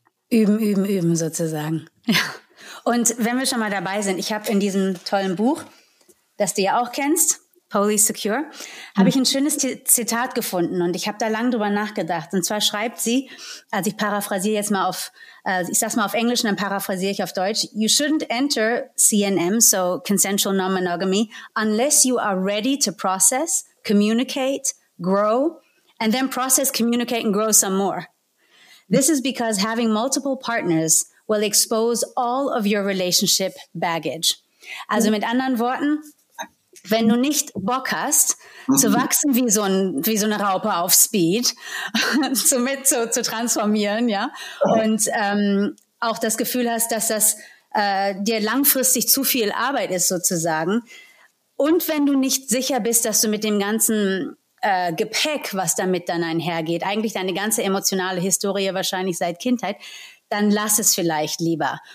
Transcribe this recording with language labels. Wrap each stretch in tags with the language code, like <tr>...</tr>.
<de>Üben, üben, üben sozusagen. Ja. Und wenn wir schon mal dabei sind, ich habe in diesem tollen Buch, das du ja auch kennst, Poly Secure, habe ich ein schönes Zitat gefunden und ich habe da lang drüber nachgedacht. Und zwar schreibt sie, also ich paraphrasiere jetzt mal auf, ich sage es mal auf Englisch und dann paraphrasiere ich auf Deutsch.</de> <en>You shouldn't enter CNM, so consensual non-monogamy, unless you are ready to process, communicate, grow, and then process, communicate and grow some more. This is because having multiple partners will expose all of your relationship baggage.</en> <de>Also mit anderen Worten, wenn du nicht Bock hast, zu wachsen wie so, wie so eine Raupe auf Speed, zu transformieren, ja, und auch das Gefühl hast, dass das dir langfristig zu viel Arbeit ist sozusagen, und wenn du nicht sicher bist, dass du mit dem ganzen Gepäck, was damit dann einhergeht, eigentlich deine ganze emotionale Historie wahrscheinlich seit Kindheit, dann lass es vielleicht lieber.</de>